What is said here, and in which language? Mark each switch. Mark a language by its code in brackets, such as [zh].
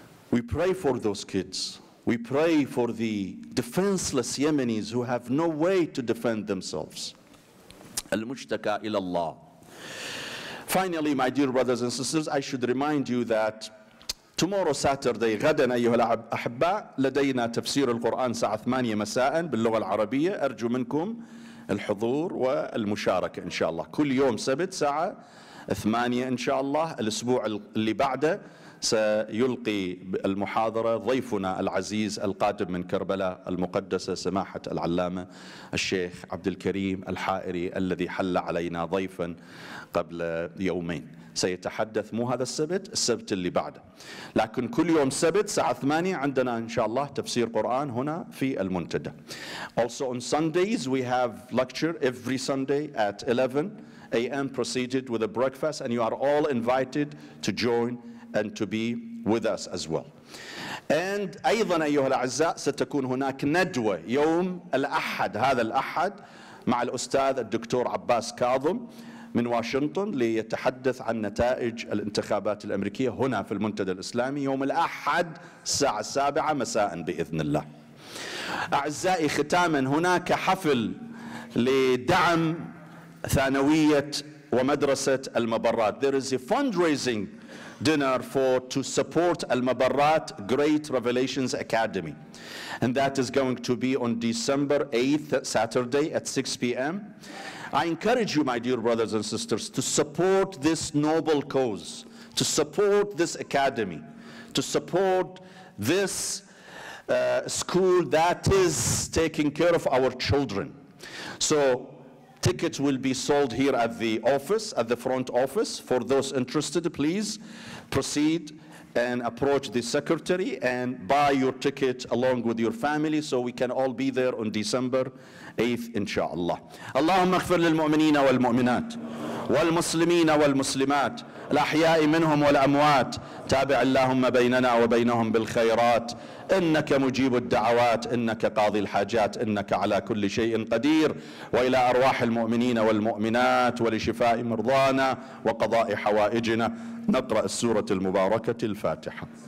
[en] We pray for those kids. We pray for the defenseless Yemenis who have no way to defend themselves. [ar] Al-mushtaka ila Allah. [en] Finally, my dear brothers and sisters, I should remind you that tomorrow, Saturday, [ar] غداً أيها الأحباء لدينا تفسير القرآن ساعة 8 مساءً باللغة العربية. أرجو منكم الحضور والمشاركة إن شاء الله. كل يوم سبت ساعة 8 إن شاء الله. الأسبوع اللي بعده سيلقي المحاضرة ضيفنا العزيز القادم من كربلاء المقدسة سماحة العلامة الشيخ عبد الكريم الحائري الذي حل علينا ضيفاً قبل يومين. سيتحدث مو هذا السبت، السبت اللي بعده. لكن كل يوم سبت ساعة 8 عندنا إن شاء الله تفسير قرآن هنا في المنتدى. [en] Also on Sundays we have lecture every Sunday at 11 a.m. proceeded with a breakfast and you are all invited to join and to be with us as well. And [ar] أيضا أيها الأعزاء ستكون هناك ندوة يوم الأحد، هذا الأحد، مع الأستاذ الدكتور عباس كاظم من واشنطن ليتحدث عن نتائج الانتخابات الأمريكية هنا في المنتدى الإسلامي يوم الأحد الساعة 7 مساء بإذن الله. أعزائي ختاما، هناك حفل لدعم ثانوية ومدرسة المبرات. [en] There is a fundraising dinner to support المبرات Great Revelations Academy. And that is going to be on December 8th, Saturday at 6 p.m. I encourage you, my dear brothers and sisters, to support this noble cause, to support this academy, to support this school that is taking care of our children. So Tickets will be sold here at the office, at the front office. For those interested, please proceed and approach the secretary and buy your ticket along with your family so we can all be there on December 8th, inshallah. [ar] Allahumma ighfir lil mu'minina wal mu'minat wal muslimina wal muslimat الأحياء منهم والأموات تابع اللهم بيننا وبينهم بالخيرات إنك مجيب الدعوات إنك قاضي الحاجات إنك على كل شيء قدير وإلى أرواح المؤمنين والمؤمنات ولشفاء مرضانا وقضاء حوائجنا نقرأ السورة المباركة الفاتحة